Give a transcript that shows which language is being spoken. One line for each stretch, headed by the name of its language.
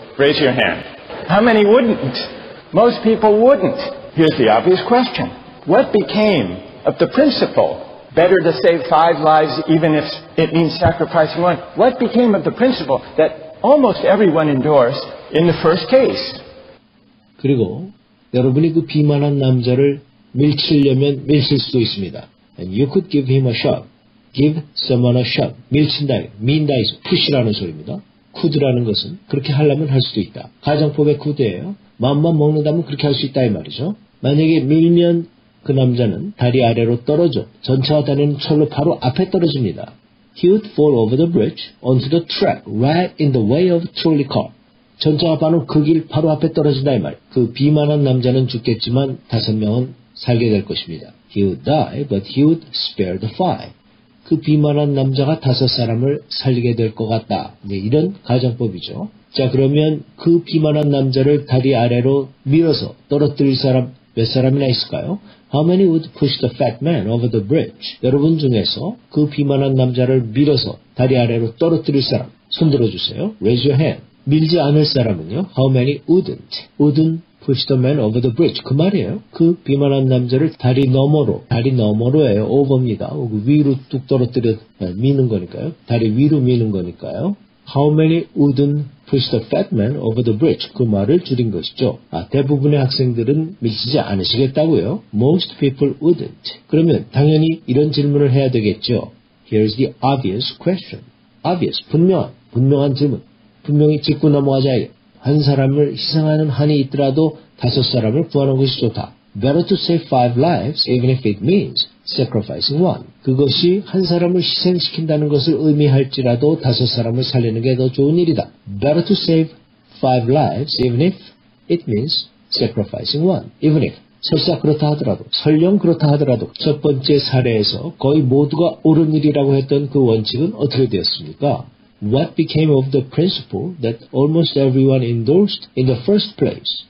English: Raise your hand. How many wouldn't? Most people wouldn't. Here's the obvious question. What became of the principle? Better to save five lives even if it means sacrificing one. What became of the principle that almost everyone endorsed in the first case?
Korean: 그리고 여러분이 그 비만한 남자를 밀치려면 밀칠 수도 있습니다.
English: And you could give him a shove. Give someone a shove.
Korean: 밀친다. Mean다 is push라는 소리입니다. Could라는 것은 그렇게 하려면 할 수도 있다. 가정법의 could예요. 마음만 먹는다면 그렇게 할 수 있다 이 말이죠. 만약에 밀면 그 남자는 다리 아래로 떨어져 전차와 다니는 철로 바로 앞에 떨어집니다.
English: He would fall over the bridge onto the track right in the way of trolley car.
Korean: 전차가 바로 그 길 바로 앞에 떨어진다 이 말. 그 비만한 남자는 죽겠지만 다섯 명은 살게 될 것입니다.
English: He would die, but he would spare the five.
Korean: 그 비만한 남자가 다섯 사람을 살리게 될 것 같다. 네, 이런 가정법이죠. 자, 그러면 그 비만한 남자를 다리 아래로 밀어서 떨어뜨릴 사람 몇 사람이나 있을까요?
English: How many would push the fat man over the bridge?
Korean: 여러분 중에서 그 비만한 남자를 밀어서 다리 아래로 떨어뜨릴 사람 손 들어주세요.
English: Raise your hand.
Korean: 밀지 않을 사람은요.
English: How many wouldn't? Wouldn't push the man over the bridge.
Korean: 그 말이에요. 그 비만한 남자를 다리 너머로예요. Over입니다. 위로 뚝 떨어뜨려 미는 거니까요. 다리 위로 미는 거니까요.
English: How many wouldn't push the fat man over the bridge?
Korean: 그 말을 줄인 것이죠. 아, 대부분의 학생들은 미치지 않으시겠다고요?
English: Most people wouldn't.
Korean: 그러면 당연히 이런 질문을 해야 되겠죠.
English: Here's the obvious question. Obvious,
Korean: 분명한 질문. 분명히 짚고 넘어가자. 한 사람을 희생하는 한이 있더라도 다섯 사람을 구하는 것이 좋다.
English: Better to save five lives even if it means sacrificing one.
Korean: 그것이 한 사람을 희생시킨다는 것을 의미할지라도 다섯 사람을 살리는 게 더 좋은 일이다.
English: Better to save five lives even if it means sacrificing one.
Korean: Even if, 설사 그렇다 하더라도, 설령 그렇다 하더라도 첫 번째 사례에서 거의 모두가 옳은 일이라고 했던 그 원칙은 어떻게 되었습니까?
English: What became of the principle that almost everyone endorsed in the first place?